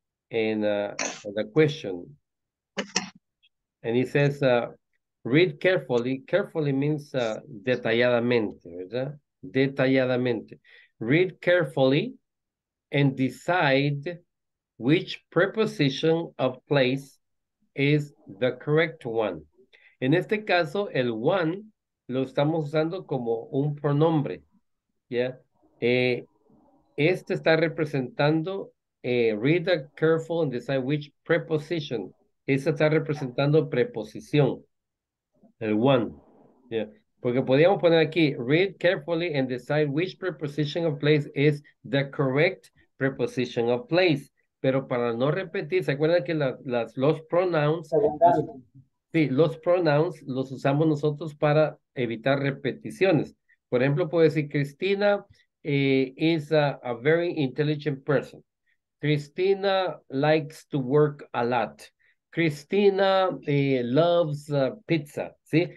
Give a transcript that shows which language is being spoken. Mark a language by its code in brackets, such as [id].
[en] And the question, and it says, read carefully. Carefully means [es] detalladamente, ¿verdad? Detalladamente. [en] Read carefully and decide which preposition of place is the correct one. [es] En este caso, el one lo estamos usando como un pronombre. ¿Ya? Este está representando... [en] read that careful and decide which preposition. [es] Esa está representando preposición. El one. Yeah. Porque podríamos poner aquí, [en] read carefully and decide which preposition of place is the correct preposition of place. [es] Pero para no repetir, ¿se acuerdan que los pronouns? Sí, los pronouns los usamos nosotros para evitar repeticiones. Por ejemplo, puedo decir, [en] Cristina is a very intelligent person. Cristina likes to work a lot. Cristina loves pizza, ¿sí?